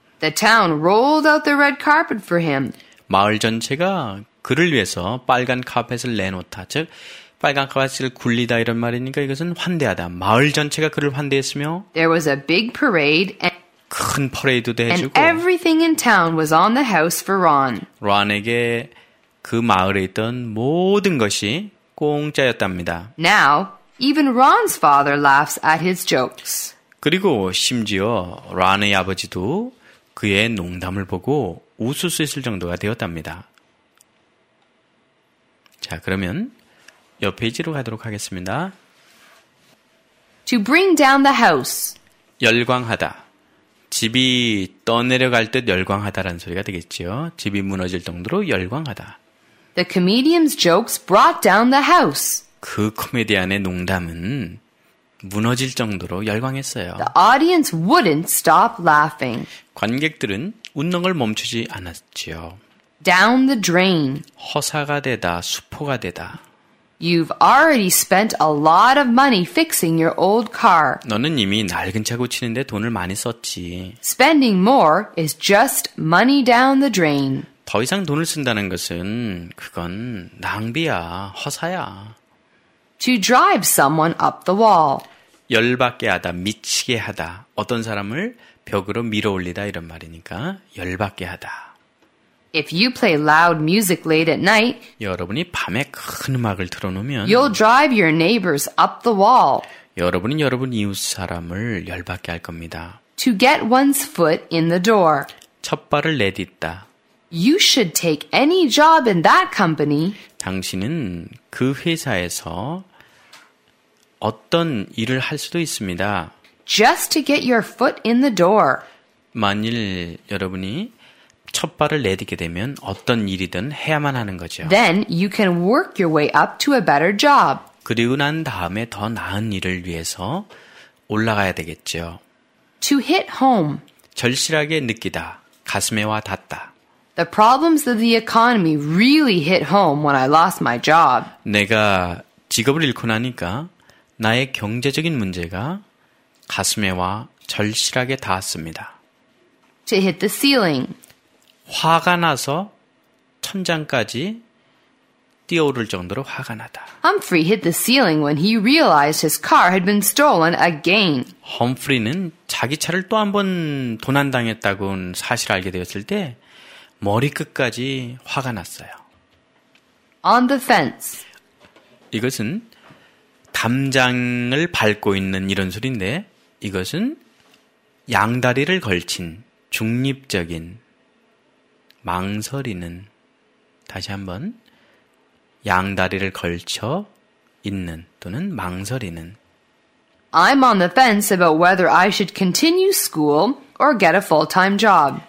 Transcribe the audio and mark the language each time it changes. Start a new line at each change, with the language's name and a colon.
English: The town rolled out the red carpet for him.
Korean: 마을 전체가 그를 위해서 빨간 카펫을 내놓다, 즉 빨간 카펫을 굴리다 이런 말이니까 이것은 환대하다. 마을 전체가 그를 환대했으며
English: There was a big parade and
Korean: 큰 퍼레이드도 해주고
English: and everything in town was on the house for Ron.
Korean: Ron에게 그 마을에 있던 모든 것이 공짜였답니다.
English: Now, even Ron's father laughs at his jokes.
Korean: 그리고 심지어 Ron의 아버지도 그의 농담을 보고 웃을 수 있을 정도가 되었답니다. 자, 그러면 옆 페이지로 가도록 하겠습니다.
English: To bring down the house.
Korean: 열광하다. 집이 떠내려갈 듯 열광하다라는 소리가 되겠죠. 집이 무너질 정도로 열광하다.
English: The comedian's jokes brought down the house.
Korean: 그 코미디언의 농담은 무너질 정도로 열광했어요.
English: The audience wouldn't stop laughing.
Korean: 관객들은 웃는 걸 멈추지 않았지요.
English: Down the drain.
Korean: 허사가 되다, 수포가 되다.
English: You've already spent a lot of money fixing your old car.
Korean: 너는 이미 낡은 차 고치는데 돈을 많이 썼지.
English: Spending more is just money down the drain.
Korean: 더 이상 돈을 쓴다는 것은 그건 낭비야, 허사야.
English: To drive someone up the wall.
Korean: 열받게 하다, 미치게 하다. 어떤 사람을 벽으로 밀어올리다 이런 말이니까 열받게 하다.
English: If you play loud music late at night,
Korean: 여러분이 밤에 큰 음악을 틀어놓으면
English: you'll drive your neighbors up the wall.
Korean: 여러분은 여러분 이웃 사람을 열받게 할 겁니다.
English: To get one's foot in the door.
Korean: 첫 발을 내딛다.
English: You should take any job in that company.
Korean: 당신은 그 회사에서 어떤 일을 할 수도 있습니다.
English: Just to get your foot in the door.
Korean: 만일 여러분이 첫 발을 내딛게 되면 어떤 일이든 해야만 하는 거죠.
English: Then you can work your way up to a better job.
Korean: 그리고 난 다음에 더 나은 일을 위해서 올라가야 되겠죠.
English: To hit home.
Korean: 절실하게 느끼다. 가슴에 와 닿다.
English: The problems of the economy really hit home when I lost my job.
Korean: 내가 직업을 잃고 나니까 나의 경제적인 문제가 가슴에 와 절실하게 닿았습니다.
English: To hit the ceiling.
Korean: 화가 나서 천장까지 뛰어오를 정도로 화가 나다.
English: Humphrey hit the ceiling when he realized his car had been stolen again.
Korean: 험프리는 자기 차를 또 한 번 도난당했다고는 사실을 알게 되었을 때 머리끝까지 화가 났어요.
English: On the fence.
Korean: 이것은 담장을 밟고 있는 이런 소리인데 이것은 양다리를 걸친 중립적인 망설이는 다시 한번 양다리를 걸쳐 있는 또는 망설이는
English: I'm on the fence about whether I should continue school or get a full-time job.